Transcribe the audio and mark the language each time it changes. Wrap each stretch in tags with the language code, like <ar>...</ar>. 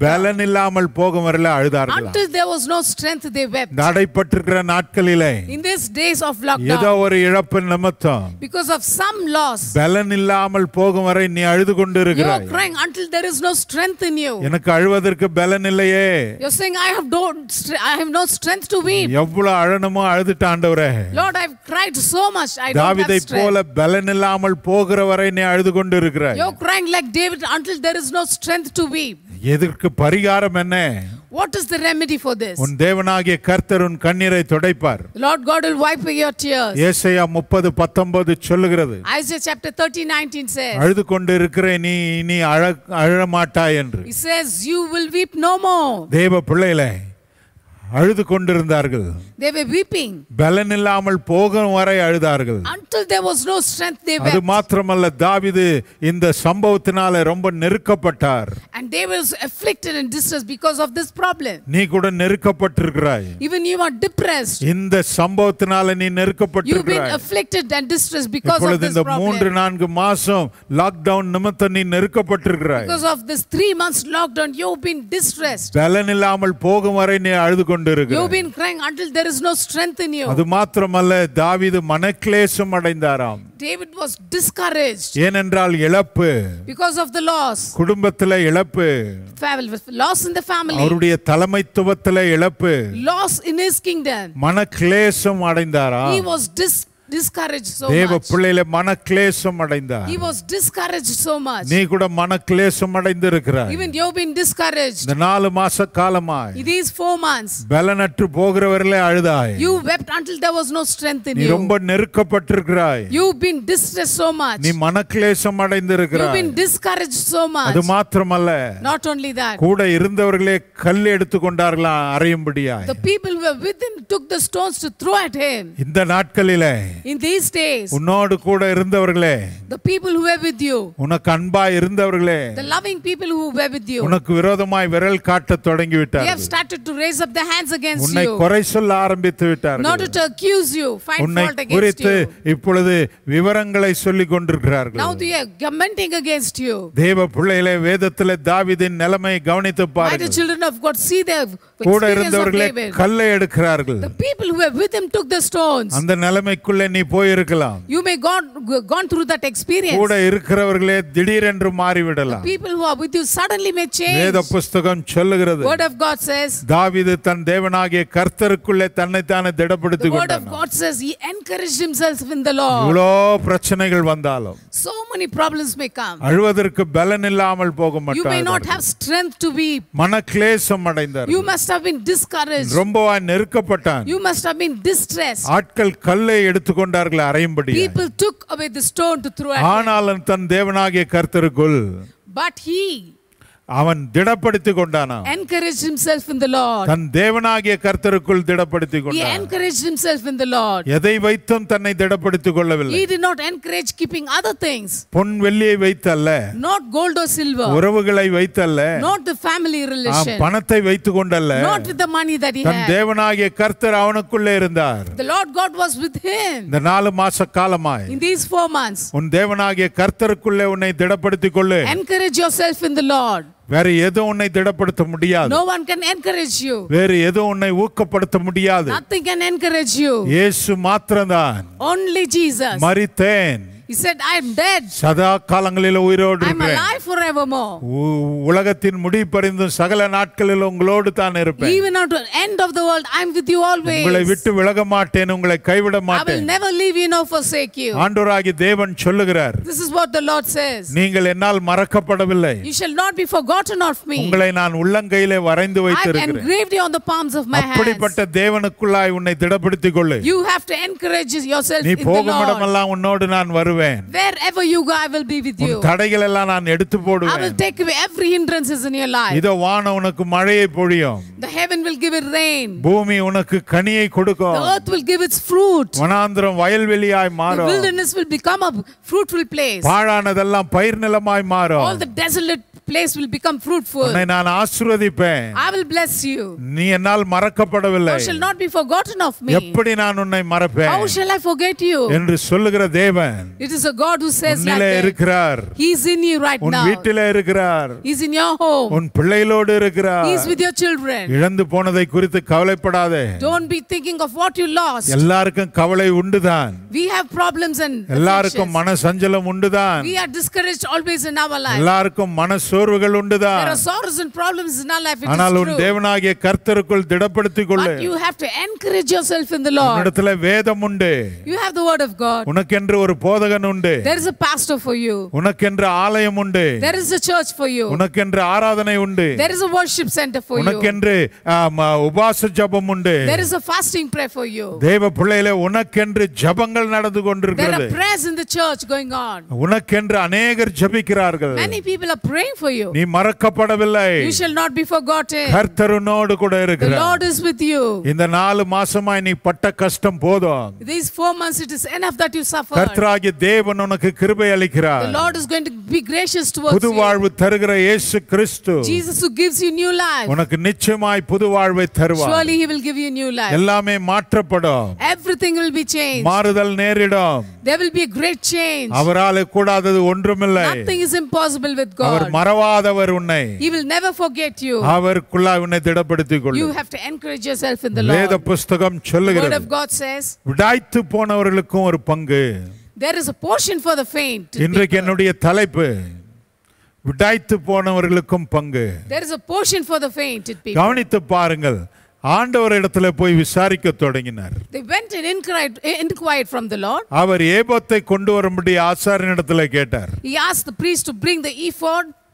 <ta>பலன் இல்லாமல் போகிறவர்கள் அழுதார்களாம்.</ta> <en>Until there was no strength they wept.</en> <ta>நடைபெற்றிருக்கிற நாட்களிலே</ta> <en>In these days of lockdown.</en> <ta>ஏதோ ஒரு இழப்பு நிமித்தம்</ta> <en>Because of some loss.</en> <ta>பலன் இல்லாமல் போகும்வரை நீ அழுது கொண்டிருக்கிறாய்.</ta> <en>You are crying until there is no strength in you.</en> <ta>எனக்கு அழுவதற்கு பலன் இல்லையே.</ta> <en>You are saying I have no strength to weep.</en> <ta>எவ்வளவு அழணுமோ அழுதுட்ட ஆண்டவரே.</ta> <en>Lord I have cried so much.</en> <ta>தாவீதை போல பலன் இல்லாமல் போகிறவரை நீ அழுது கொண்டிருக்கிறாய்.</ta> <en>You are crying like David until there is no strength to weep.</en> <ta>எதற்கு பரிகாரம் என்ன?</ta> <en>What is the remedy for this?</en> <ta>உன் தேவனாகிய கர்த்தர் உன் கண்ணீரை துடைப்பார்.</ta> <en>Lord God will wipe away your tears.</en> <ta>ஏசாயா 30:19 சொல்கிறது.</ta> <en>Isaiah chapter 30:19 says.</en> <ta>அழுது கொண்டிருக்கிற நீ அழ மாட்டாய் என்று.</ta> <en>He says you will weep no more.</en> <ta>தேவ பிள்ளையிலே அழுது கொண்டிருந்தார்கள்.</ta> <en>They were weeping.</en> <ta>பலன் இல்லாமல் போகும் வரை அழுதார்கள்.</ta> <en>Until there was no strength they wept.</en> <ta>அது மாத்திரமல்ல தாவீது இந்த சம்பவத்தினால ரொம்ப நெருக்கப்பட்டார்.</ta> <en>And they was afflicted and distressed because of this problem.</en> <ta>நீ கூட நெருக்கப்பட்டிருக்கிறாய்.</ta> <en>Even you are depressed.</en> <ta>இந்த சம்பவத்தினால நீ நெருக்கப்பட்டிருக்கிறாய்.</ta> <en>You've been afflicted and distressed because of this problem.</en> <ta>இந்த 3-4 மாசம் லாக்டவுன் நிமித்தம் நீ நெருக்கப்பட்டிருக்கிறாய்.</ta> <en>Because of this 3 months lockdown you've been distressed.</en> <ta>பலன் இல்லாமல் போகும் வரை நீ அழுது கொண்டிருக்கிறாய்.</ta> <en>You've been crying until there is no strength in you.</en> <ta>அது மாத்திரமல்ல தாவீது மனக்லேசம் அடைந்தாராம்.</ta> <en>David was discouraged.</en> <ta>ஏனென்றால் இழப்பு.</ta> <en>Because of the loss.</en> <ta>குடும்பத்திலே இழப்பு.</ta> <en>Loss in the family.</en> <ta>அவருடைய தலைமைத்துவத்திலே இழப்பு.</ta> <en>Loss in his kingdom.</en> <ta>மனக்லேசம் அடைந்தாராம்.</ta> <en>He was discouraged so</en> <ta>தேவ</ta> <en>much.</en> <ta>தேவ பிள்ளையிலே மனக்லேசம் அடைந்தார்.</ta> <en>He was discouraged so much.</en> <ta>நீ கூட மனக்லேசம் அடைந்திருக்கிறாய்.</ta> <en>Even you have been discouraged.</en> <ta>இந்த 4 மாச காலமாய்.</ta> <en>These 4 months.</en> <ta>பலனற்று போகிறவர்களே அழுதாய்.</ta> <en>You wept until there was no strength in</en> <ta>நீ</ta> <en>you.</en> <ta>நீ ரொம்ப நெருக்கப்பட்டிருக்கிறாய்.</ta> <en>You have been distressed so much.</en> <ta>நீ மனக்லேசம் அடைந்திருக்கிறாய்.</ta> <en>You have been discouraged so much.</en> <ta>அது மாத்திரமல்ல.</ta> <en>Not only that.</en> <ta>கூட இருந்தவர்களே கல் எடுத்து கொண்டார்களாம் அறையும்படியாய்.</ta> <en>The people who were with him took the stones to throw at him.</en> <ta>இந்த நாட்களிலே</ta> <en>In these days</en> <ta>உன்னோடு கூட இருந்தவர்களே</ta> <en>The people who were with you</en> <ta>உனக்கு அன்பாய் இருந்தவர்களே</ta> <en>The loving people who were with you</en> <ta>உனக்கு விரோதமாய் விரல் காட்ட தொடங்கி விட்டார்கள்</ta> <en>They have started to raise up their hands against you</en> <ta>உன்னை குறை சொல்ல ஆரம்பித்து விட்டார்கள்</ta> <en>Not to accuse you find fault against you</en> <ta>குறித்து இப்பொழுது விவரங்களை சொல்லிக் கொண்டிருக்கிறார்கள்</ta> <en>Now they are commenting against you</en> <ta>தேவ பிள்ளையிலே வேதத்திலே தாவீதின் நிலைமை கவனித்து பாருங்கள்</ta> <en>My children of God see their</en> <ta>கூட இருந்தவர்களே கல்லை எடுக்கிறார்கள்</ta> <en>The people who were with him took the stones</en> <ta>அந்த நிலைமைக்குள்ள அனுபவத்திலே நீ போய் இருக்கலாம்</ta> <en>you may gone through that experience</en> <ta>கூட இருக்கிறவர்களே திடீரென்று மாறி விடலாம்</ta> <en>people who are with you suddenly may change</en> <ta>வேத புத்தகம் சொல்கிறது</ta> <en>word of god says</en> <ta>தாவீது தன் தேவனாகிய கர்த்தருக்குள்ளே தன்னை தானே திடப்படுத்தி கொண்டான்</ta> <en>the word of god says he encouraged himself in the lord</en> <ta>இவ்ளோ பிரச்சனைகள் வந்தாலும்</ta> <en>so many problems may come</en> <ta>அழுவதற்கு பலன் இல்லாமல் போக மாட்டார்</ta> <en>you may not have strength to weep</en> <ta>மன கிளேசம் அடைந்தார்</ta> <en>you must have been discouraged</en> <ta>ரொம்பவா நெருக்கப்பட்டான்</ta> <en>you must have been distressed</en> <ta>ஆட்கள் கல்லை எடுத்துக்கொண்டார்கள் அரையும்படி</ta> <en>people took away the stone to throw at</en> <ta>ஆனாலும் தன் தேவனாகிய கர்த்தருக்குள்</ta> <en>but he</en> <ta>அவன் திடப்படுத்தி கொண்டானாம்</ta> <en>encouraged himself in the lord</en> <ta>தன் தேவனாகிய கர்த்தருக்குள் திடப்படுத்தி கொண்டான்</ta> <en>he encouraged himself in the lord</en> <ta>எதை வைத்தும் தன்னை திடப்படுத்தி கொள்ளவில்லை</ta> <en>he did not encourage keeping other things</en> <ta>பொன் வெள்ளியை வைத்தல்ல</ta> <en>not gold or silver</en> <ta>உறவுகளை வைத்தல்ல</ta> <en>not the family relation</en> <ta>பணத்தை வைத்து கொண்டல்ல</ta> <en>not with the money that he had</en> <ta>தன் தேவனாகிய கர்த்தர் அவனுக்குள்ளே இருந்தார்</ta> <en>the lord god was with him</en> <ta>இந்த 4 மாச காலமாய்</ta> <en>in these 4 months</en> <ta>உன் தேவனாகிய கர்த்தருக்குள்ளே உன்னை திடப்படுத்தி கொள்ளு</ta> <en>encourage yourself in the lord</en> <ta>வேற எது உன்னை திடப்படுத்த முடியாது</ta> <en>no one can encourage you</en> <ta>வேற எது உன்னை ஊக்கப்படுத்த முடியாது</ta> <en>nothing can encourage you</en> <ta>இயேசு மாத்திரம்தான்</ta> <en>only jesus</en> <ta>மரித்தேன்</ta> <en>He said I am dead.</en> <ta>சதா காலங்களில உயிரோடு இருப்பேன்.</ta> <en>I am alive forevermore.</en> <ta>உலகத்தின் முடிபறிந்து சகல நாட்களில உங்களோடு தான் இருப்பேன்.</ta> <en>Even at the end of the world I am with you always.</en> <ta>உங்களை விட்டு விலக மாட்டேன் உங்களை கைவிட மாட்டேன்.</ta> <en>I will never leave you nor forsake you.</en> <ta>ஆண்டவராகிய தேவன் சொல்கிறார்.</ta> <en>This is what the Lord says.</en> <ta>நீங்கள் என்னால் மறக்கப்படவில்லை.</ta> <en>You shall not be forgotten of me.</en> <ta>உங்களை நான் உள்ளங்கையிலே வரைந்து வைத்திருக்கிறேன்.</ta> <en>I have engraved you on the palms of my hands.</en> <ta>அப்படிப்பட்ட தேவனுக்குள்ளாய் உன்னை திடப்படுத்திக் கொள்ளு.</ta> <en>You have to encourage yourself in the Lord.</en> <ta>நீ போகும் இடமெல்லாம் உன்னோடு நான்</ta> <en>Wherever you go, I will be with you.</en> <ta>உன் தடைகள் எல்லாம் நான் எடுத்து போடுவேன்.</ta> <en>I will take away every hindrances in your life.</en> <ta>இதோ வானம் உனக்கு மழையை பொழியும்.</ta> <en>The heaven will give it rain.</en> <ta>பூமி உனக்கு கனியை கொடுக்கும்.</ta> <en>The earth will give its fruit.</en> <ta>வனாந்திரம் வயல்வெளியாய் மாறும்.</ta> <en>The wilderness will become a fruitful place.</en> <ta>பாழானதெல்லாம் பயிர் நிலமாய் மாறும்.</ta> <en>All the desolate place will become fruitful</en> <ta>நான் ஆசீர்வதிப்பேன்</ta> <en>I will bless you</en> <ta>நீ என்னால் மறக்கப்படவில்லை</ta> <en>You shall not be forgotten of me</en> <ta>எப்படி நான் உன்னை மறப்பேன்</ta> <en>How shall I forget you</en> <ta>என்று சொல்லுகிற தேவன்</ta> <en>It is a God who says like that</en> <ta>இருக்கிறார்</ta> <en>He is in you right now</en> <ta>உன் வீட்டில் இருக்கிறார்</ta> <en>He is in your home</en> <ta>உன் பிள்ளையளோடு இருக்கிறார்</ta> <en>He is with your children</en> <ta>இழந்து போனதை குறித்து கவலைப்படாதே</ta> <en>Don't be thinking of what you lost</en> <ta>எல்லாருக்கும் கவலை உண்டு தான்</ta> <en>We have problems and</en> <ta>எல்லாருக்கும் மனசஞ்சலம் உண்டு தான்</ta> <en>We are discouraged always in our life</en> <ta>எல்லாருக்கும் மன சோர்வுகள் உண்டுதான்</ta> <en>there are sorrows and problems in our life it is true</en> <ta>ஆனால் உன் தேவனாகிய கர்த்தருக்குள் திடப்படுத்திக்கொள்ளு</ta> <en>you have to encourage yourself in the lord</en> <ta>உன்னிடத்தில் வேதம் உண்டு</ta> <en>you have the word of god</en> <ta>உனக்கென்று ஒரு போதகன் உண்டு</ta> <en>there is a pastor for you</en> <ta>உனக்கென்று ஆலயம் உண்டு</ta> <en>there is a church for you</en> <ta>உனக்கென்று ஆராதனை உண்டு</ta> <en>there is a worship center for you</en> <ta>உனக்கென்று உபவாச ஜெபம் உண்டு</ta> <en>there is a fasting prayer for you</en> <ta>தேவ பிள்ளையிலே உனக்கென்று ஜெபங்கள் நடந்து கொண்டிருக்கிறது</ta> <en>there are prayers in the church going on</en> <ta>உனக்கென்று अनेகர் ஜெபிக்கிறார்கள்</ta> <en>many people are praying for you</en> <ta>நீ மறக்கப்படவில்லை</ta> <en>you shall not be forgotten</en> <ta>கர்த்தருனோடு கூட இருக்கிறார்</ta> <en>the lord is with you</en> <ta>இந்த 4 மாசமாய் நீ பட்ட கஷ்டம் போதும்</ta> <en>these 4 months it is enough that you suffered</en> <ta>கர்த்தராகிய தேவன் உனக்கு கிருபை அளிக்கிறார்</ta> <en>the lord is going to be gracious towards you</en> <ta>புது வாழ்வு தருகிற இயேசு கிறிஸ்து</ta> <en>jesus who gives you new life</en> <ta>உனக்கு நிச்சயமாய் புது வாழ்வை தருவார்</ta> <en>surely he will give you new life</en> <ta>எல்லாமே மாற்றப்படும்</ta> <en>everything will be changed</en> <ta>மாறுதல் நேரிடும்</ta> <en>there will be a great change</en> <ta>அவரால் கூடாதது ஒன்றுமில்லை</ta> <en>nothing is impossible with god</en> <ta>அவர் மறவாதவர் உன்னை</ta> <en>he will never forget you</en> <ta>அவருக்குள்ளாய் உன்னை திடப்படுத்திக் கொள்</ta> <en>you have to encourage yourself in the lord</en> <ta>வேத புத்தகம் சொல்கிறது</ta> <en>the word of god says</en> <ta>விடாய்த்து போனவர்களுக்கும் ஒரு பங்கு</ta> <en>there is a portion for the faint</en> <ta>இன்றைக்கு என்னுடைய தலைப்பு விடாய்த்து போனவர்களுக்கும் பங்கு</ta> <en>there is a portion for the faint people</en> <ta>கவனித்து பாருங்கள் ஆண்டவர் இடத்துல போய் விசாரிக்க தொடங்கினார்</ta> <en>they went and inquired from the lord</en> <ta>அவர் ஏபோத்தை கொண்டு வரும்படி ஆசாரியன் இடத்துல கேட்டார்</ta> <en>he asked the priest to bring the ephod</en>